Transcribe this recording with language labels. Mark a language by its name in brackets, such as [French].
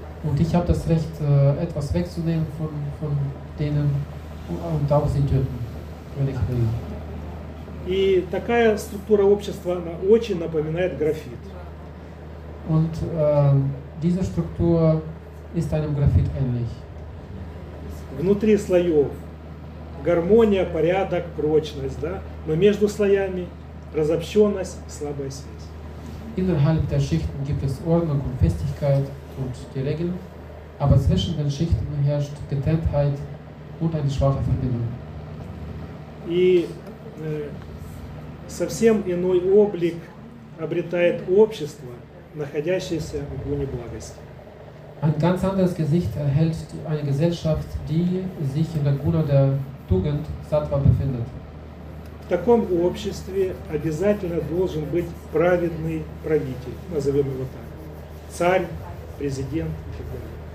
[German] Und ich habe das Recht, etwas wegzunehmen von denen und auch sie töten, wenn ich will. [Russian] И такая структура общества, она очень напоминает графит. [German] Und diese Struktur ist einem Graphit ähnlich. [Russian] Внутри слоев гармония, порядок, прочность, да? Но между слоями разобщенность, слабая связь. [German] innerhalb der Schichten gibt es Ordnung und Festigkeit und die Regeln, aber zwischen den Schichten herrscht Getrenntheit und eine schwache Verbindung. [Russian] И совсем иной облик обретает общество, находящееся в гуне благости. [German] Ein ganz anderes Gesicht erhält eine Gesellschaft, die sich in der Guna der Tugend, Sattva, befindet. [Russian] В таком обществе обязательно должен быть праведный правитель, назовем его так, царь, президент и так далее.